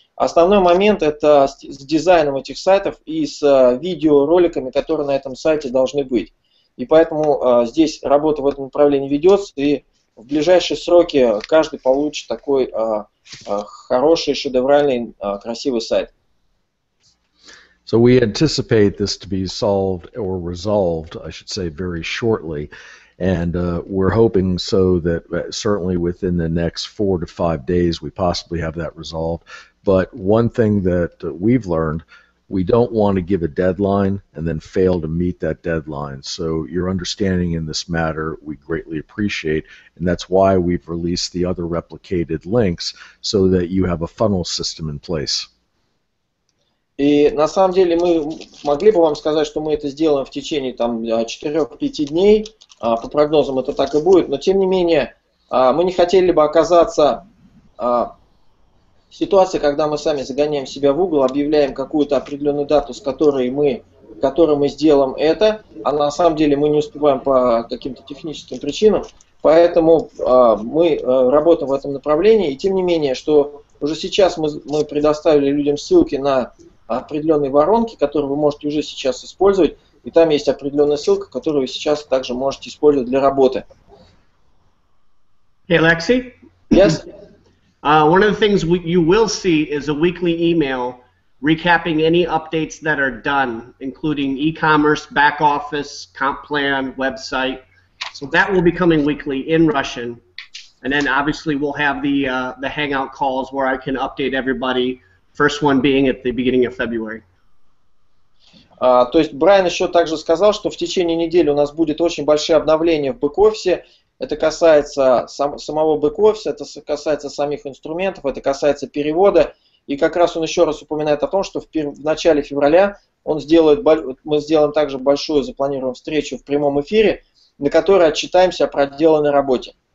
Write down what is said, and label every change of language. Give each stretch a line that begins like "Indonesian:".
Russian: Основной момент – это с дизайном этих сайтов и с видеороликами, которые на этом сайте должны быть. И поэтому здесь работа в этом направлении ведется, и в ближайшие сроки каждый получит такой хороший, шедевральный, красивый сайт.
English: So we anticipate this to be solved or resolved, I should say, very shortly. And we're hoping so that certainly within the next 4 to 5 days we possibly have that resolved. But one thing that we've learned We don't want to give a deadline and then fail to meet that deadline. So your understanding in this matter we greatly appreciate, and that's why we've released the other replicated links so that you have a funnel system in place. И на самом деле мы могли бы вам сказать, что мы это сделаем в течение там 4-5 дней. По прогнозам это так и будет, но тем не менее мы не хотели бы оказаться в ситуации, когда мы сами загоняем себя в угол, объявляем какую-то определенную дату, с которой мы, сделаем это, а на самом деле мы не успеваем по каким-то техническим причинам. Поэтому мы работаем в этом направлении. И тем не менее, что уже сейчас мы предоставили людям ссылки на определенные воронки, которые вы можете уже сейчас использовать. И там есть определенная ссылка, которую вы сейчас также можете использовать для работы. Hey, Alexei? Yes? One of the things you will see is a weekly email recapping any updates that are done, including e-commerce, back office, comp plan, website. So that will be coming weekly in Russian. And then obviously we'll have the hangout calls where I can update everybody, first one being at the beginning of February.
Russian: То есть Брайан еще также сказал, что в течение недели у нас будет очень большое обновление в бэк-офисе. Это касается самого бэк-офиса, это касается самих инструментов, это касается перевода. И как раз он еще раз упоминает о том, что в начале февраля мы сделаем также большую запланированную встречу в прямом эфире, на которой отчитаемся о проделанной работе.